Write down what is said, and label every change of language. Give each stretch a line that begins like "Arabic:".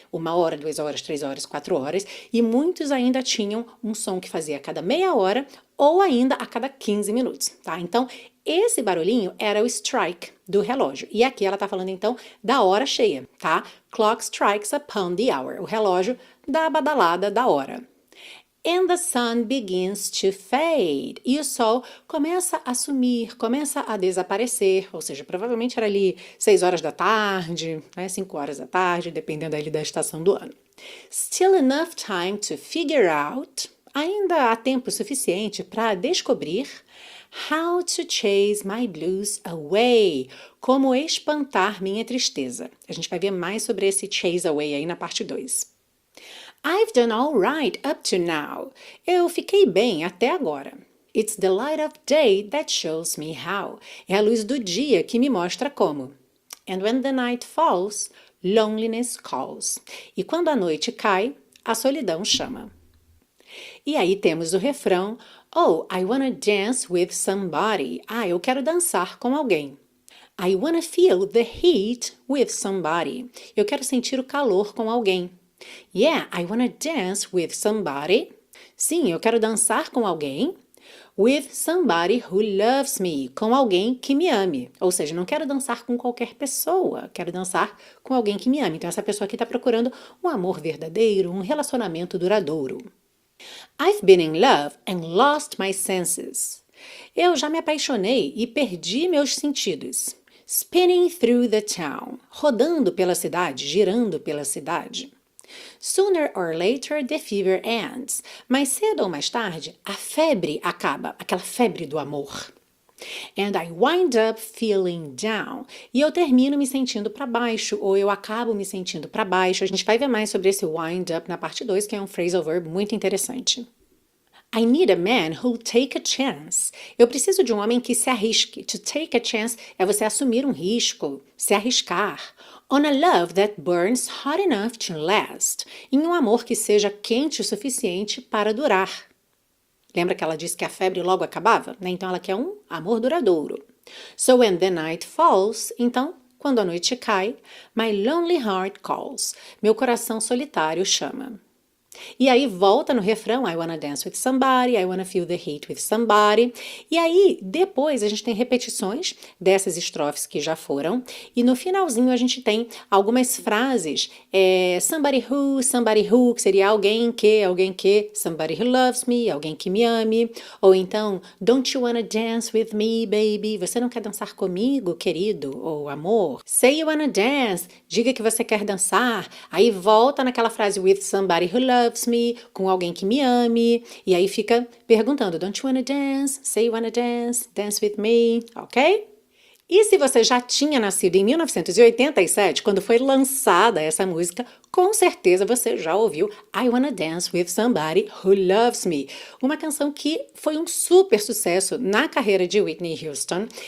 Portuguese: Uma hora, 2 horas, 3 horas, 4 horas, e muitos ainda tinham um som que fazia a cada meia hora ou ainda a cada 15 minutos, tá? Então, esse barulhinho era o strike do relógio. E aqui ela tá falando, então, da hora cheia, tá?
English: Clock strikes upon the hour.
Portuguese: O relógio dá a badalada da hora.
English: And the sun begins to fade.
Portuguese: E o sol começa a sumir, começa a desaparecer. Ou seja, provavelmente era ali 6 horas da tarde, né, 5 horas da tarde, dependendo ali da estação do ano.
English: Still enough time to figure out.
Portuguese: Ainda há tempo suficiente para descobrir
English: how to chase my blues away.
Portuguese: Como espantar minha tristeza. A gente vai ver mais sobre esse chase away aí na parte 2.
English: I've done all right up to now.
Portuguese: Eu fiquei bem até agora.
English: It's the light of day that shows me how.
Portuguese: É a luz do dia que me mostra como.
English: And when the night falls, loneliness calls.
Portuguese: E quando a noite cai, a solidão chama. E aí temos o refrão.
English: Oh, I wanna dance with somebody.
Portuguese: Ah, eu quero dançar com alguém.
English: I wanna feel the heat with somebody.
Portuguese: Eu quero sentir o calor com alguém.
English: Yeah, I wanna dance with somebody.
Portuguese: Sim, eu quero dançar com alguém.
English: With somebody who loves me.
Portuguese: Com alguém que me ame. Ou seja, não quero dançar com qualquer pessoa. Quero dançar com alguém que me ame. Então, essa pessoa aqui está procurando um amor verdadeiro, um relacionamento duradouro.
English: I've been in love and lost my senses.
Portuguese: Eu já me apaixonei e perdi meus sentidos.
English: Spinning through the town.
Portuguese: Rodando pela cidade, girando pela cidade.
English: Sooner or later, the fever ends.
Portuguese: Mais cedo ou mais tarde, a febre acaba, aquela febre do amor.
English: And I wind up feeling down.
Portuguese: E eu termino me sentindo para baixo, ou eu acabo me sentindo para baixo. A gente vai ver mais sobre esse wind up na parte 2, que é um phrasal verb muito interessante.
English: I need a man who'll take a chance.
Portuguese: Eu preciso de um homem que se arrisque.
English: To take a chance
Portuguese: é você assumir um risco, se arriscar.
English: On a love that burns hot enough to last.
Portuguese: Em um amor que seja quente o suficiente para durar. Lembra que ela disse que a febre logo acabava? Né? Então ela quer um amor duradouro.
English: So when the night falls,
Portuguese: então, quando a noite cai,
English: my lonely heart calls.
Portuguese: Meu coração solitário chama. E aí volta no refrão,
English: I wanna dance with somebody, I wanna feel the heat with somebody.
Portuguese: E aí, depois, a gente tem repetições dessas estrofes que já foram. E no finalzinho, a gente tem algumas frases. Somebody who, que seria alguém que,
English: somebody who loves me,
Portuguese: alguém que me ame.
English: Ou então, don't you wanna dance with me, baby?
Portuguese: Você não quer dançar comigo, querido ou amor?
English: Say you wanna dance,
Portuguese: diga que você quer dançar. Aí volta naquela frase,
English: with somebody who loves me,
Portuguese: com alguém que me ame, e aí fica perguntando:
English: Don't you wanna dance? Say you wanna dance? Dance with me, ok?
Portuguese: E se você já tinha nascido em 1987, quando foi lançada essa música, com certeza você já ouviu I Wanna Dance with Somebody Who Loves Me, uma canção que foi um super sucesso na carreira de Whitney Houston.